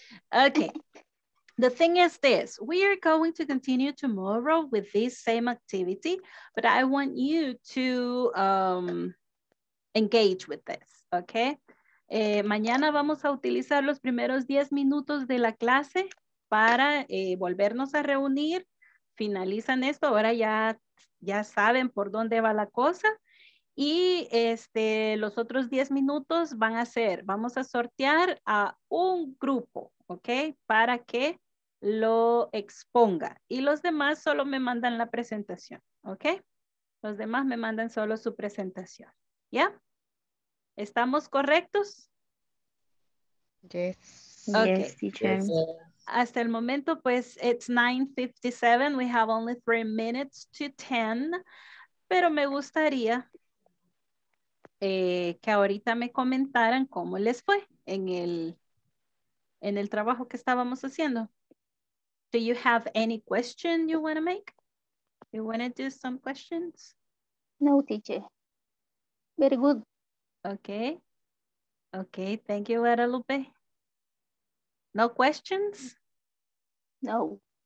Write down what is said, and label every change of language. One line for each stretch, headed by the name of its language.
English: Okay, the thing is this, we are going to continue tomorrow with this same activity, but I want you to engage with this, okay.
Spanish: Mañana vamos a utilizar los primeros 10 minutos de la clase para volvernos a reunir. Finalizan esto, ahora ya saben por dónde va la cosa. Y los otros 10 minutos van a ser, vamos a sortear a un grupo, ¿ok? Para que lo exponga. Y los demás solo me mandan la presentación, ¿ok? Los demás me mandan solo su presentación, ¿ya? ¿Estamos correctos?
English: Yes. Okay. Yes, teacher.
Spanish: Hasta el momento, pues,
English: it's 9:57. We have only 3 minutes to 10.
Spanish: Pero me gustaría que ahorita me comentaran cómo les fue en el trabajo que estábamos haciendo.
English: Do you have any question you want to make? You want to do some questions? No, teacher. Very good. Okay. Okay. Thank you, Guadalupe. No questions? No.